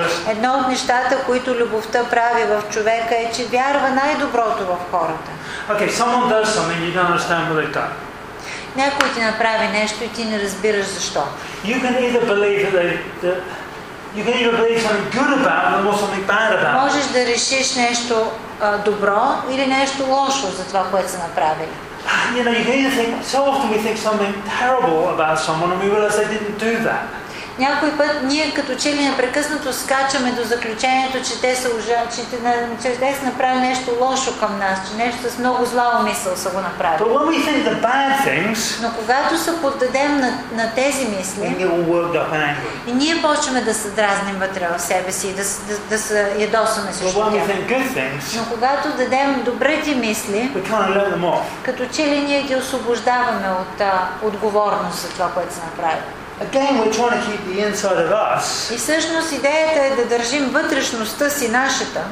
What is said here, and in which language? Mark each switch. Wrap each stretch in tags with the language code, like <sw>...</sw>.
<bg>Едно от нещата, които любовта прави в човека, е, че вярва най-доброто в хората.</bg> <en>Okay, someone does something, you don't understand what they've done.</en> <bg>Някой ти направи нещо и ти не разбираш защо.</bg> <en>You can either believe that you can either believe something good about them or something bad about them.</en> <bg>Можеш да решиш нещо добро или нещо лошо за това, което са направили.</bg> <en>You know, you can either think, so often we think something terrible about someone and we realize they didn't do that.</en> <bg>Някой път ние като че ли непрекъснато скачаме до заключението, че те са направили нещо лошо към нас, че нещо с много зла умисъл са го направили.</bg> <en>Things,</en> <bg>но когато се поддадем на тези мисли, и ние почваме да се дразним вътре в себе си и да се ядосваме също тях. Но когато дадем добрите мисли, като че ли ние ги освобождаваме от отговорност за това, което са направили.</bg> <en>Again, we're trying to keep the inside of us.</en> <bg>И всъщност идеята е да държим вътрешността си нашата.</bg>